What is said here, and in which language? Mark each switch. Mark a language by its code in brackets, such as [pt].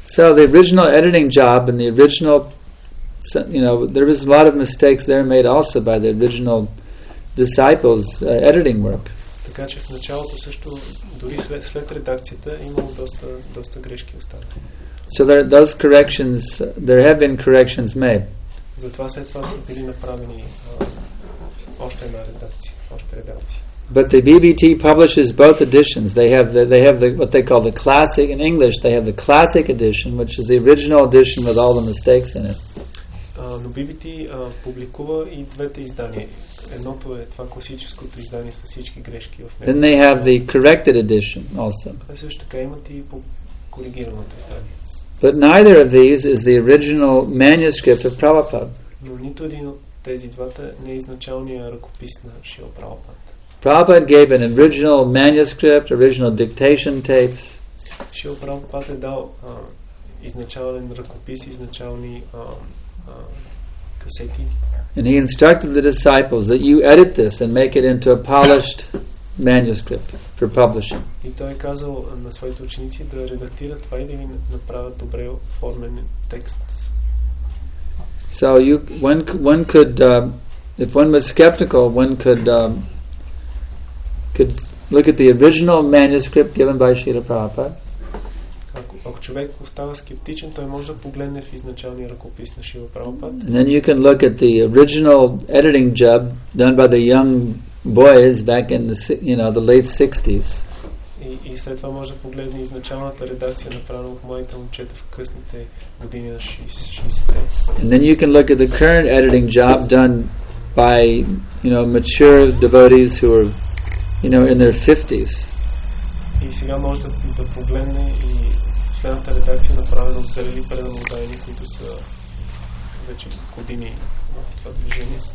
[en] So the original editing job and the original, you know, there was a lot of mistakes there made also by the original disciples' editing work. [bg] Така че в началото също, дори след редакцията, имало доста грешки останали. [en] So there have been corrections made. [bg] Затова след това са били направени още една редакция, още редакция. [en] But the BBT publishes both editions. They have the what they call the classic in English. They have the classic edition, which is the original edition with all the mistakes in it. [bg] Но BBT публикува и двете издания. Едното е това класическото издание с всички грешки в него. [en] Then they have the corrected edition also. [bg] Също така имат и коригираното издание. [en] But neither of these is the original manuscript of Prabhupada. [bg] Но нито един от тези двата не е изначалния ръкопис на Шрила Прабхупада. [en] Prabhupada gave an original manuscript, original dictation tapes. [bg] Шрила Прабхупада е дал изначален ръкопис, изначални касети. [en] And he instructed the disciples that you edit this and make it into a polished manuscript for publishing. [bg] И той казал на своите ученици да редактират това и да ви направят добре оформен текст. [en] So one could, if one was skeptical, look at the original manuscript given by Srila Prabhupada. [bg] Ако човек остава скептичен, той може да погледне в изначалния ръкопис на Шрила Прабхупада. [en] And then you can look at the original editing job done by the young boys back in the late 60s. [bg] И след това може да погледне изначалната редакция, направена от моите момчета в късните години на 60-те. [en] And then you can look at the current editing job done by, you know, mature devotees who are, you know, in their 50s. [bg] И сега може да погледне и следната редакция направена от зрели преданодайни, които са вече години в това движение.